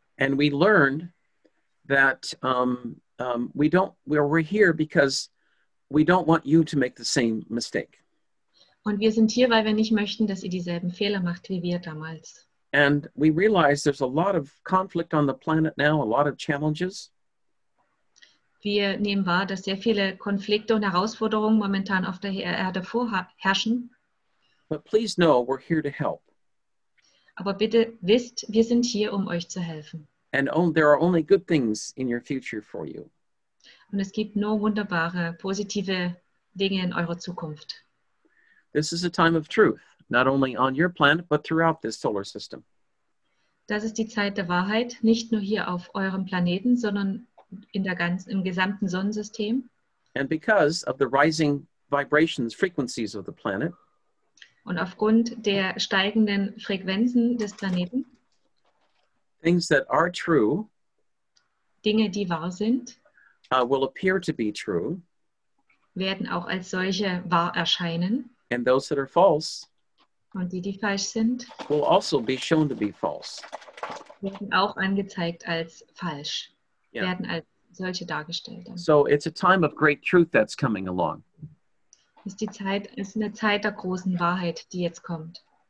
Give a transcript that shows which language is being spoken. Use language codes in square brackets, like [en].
[en] And we learned that we're here because we don't want you to make the same mistake. [de] Und wir sind hier, weil wir nicht möchten, dass ihr dieselben Fehler macht wie wir damals. [en] And we realize there's a lot of conflict on the planet now, a lot of challenges. [de] Wir nehmen wahr, dass sehr viele Konflikte und Herausforderungen momentan auf der Erde vorherrschen. [en] But please know, we're here to help. [de] Aber bitte wisst, wir sind hier, um euch zu helfen. [en] And there are only good things in your future for you. [de] Und es gibt nur wunderbare, positive Dinge in eurer Zukunft. [en] This is a time of truth, not only on your planet, but throughout this solar system. [de] Das ist die Zeit der Wahrheit, nicht nur hier auf eurem Planeten, sondern im gesamten Sonnensystem. [en] And because of the rising vibrations, frequencies of the planet. [de] Und aufgrund der steigenden Frequenzen des Planeten. [en] Things that are true. [de] Dinge, die wahr sind. [en] Will appear to be true. [de] Werden auch als solche wahr erscheinen. [en] And those that are false. [de] Und die falsch sind. [en] Will also be shown to be false. [de] Werden auch angezeigt als falsch. Yeah. Werden als solche dargestellt. [en] So it's a time of great truth that's coming along. [de] Ist die Zeit, ist eine Zeit der großen Wahrheit, die jetzt kommt.